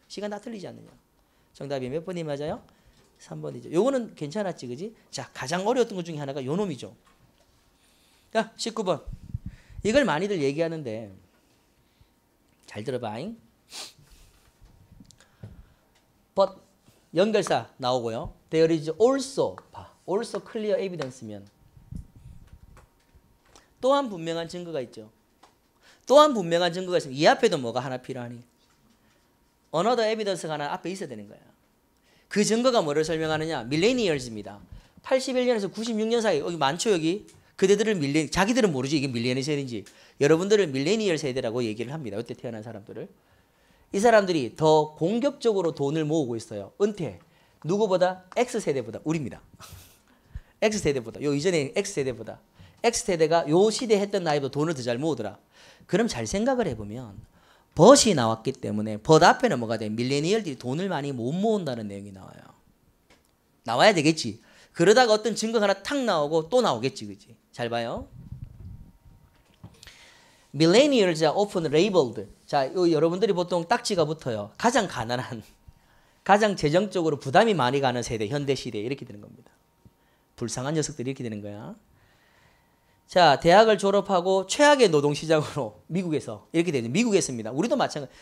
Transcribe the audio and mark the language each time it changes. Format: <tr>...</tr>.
<ko>시간 다 틀리지 않느냐. 정답이 몇 번이 맞아요? 3번이죠. 요거는 괜찮았지, 그지? 자, 가장 어려웠던 것 중에 하나가 요 놈이죠. 자, 19번. 이걸 많이들 얘기하는데 잘 들어봐잉. But 연결사 나오고요.</ko> <en>There is also, also clear evidence면</en> <ko>또한 분명한 증거가 있죠. 또한 분명한 증거가 있으면 이 앞에도 뭐가 하나 필요하니?</ko> <en>Another evidence</en> <ko>가 하나 앞에 있어야 되는 거야. 그 증거가 뭐를 설명하느냐? Millennials입니다. 81년에서 96년 사이, 여기 많죠 여기? 그대들을 밀레니, 자기들은 모르지 이게 밀레니 세대인지. 여러분들을 밀레니얼 세대라고 얘기를 합니다. 이때 태어난 사람들을. 이 사람들이 더 공격적으로 돈을 모으고 있어요. 은퇴. 누구보다? X세대보다. 우리입니다. X세대보다. 요 이전에 X세대보다. X세대가 요 시대 했던 나이보다 돈을 더 잘 모으더라. 그럼 잘 생각을 해보면 벗이 나왔기 때문에 벗 앞에는 뭐가 돼? 밀레니얼들이 돈을 많이 못 모은다는 내용이 나와요. 나와야 되겠지. 그러다가 어떤 증거 하나 탁 나오고 또 나오겠지. 그치? 잘 봐요.</ko> <en>Millennials are often labeled.</en> <ko>자, 요 여러분들이 보통 딱지가 붙어요. 가장 가난한, 가장 재정적으로 부담이 많이 가는 세대, 현대시대 이렇게 되는 겁니다. 불쌍한 녀석들이 이렇게 되는 거야. 자, 대학을 졸업하고 최악의 노동시장으로 미국에서 이렇게 되는 미국에 있습니다. 우리도 마찬가지.</ko>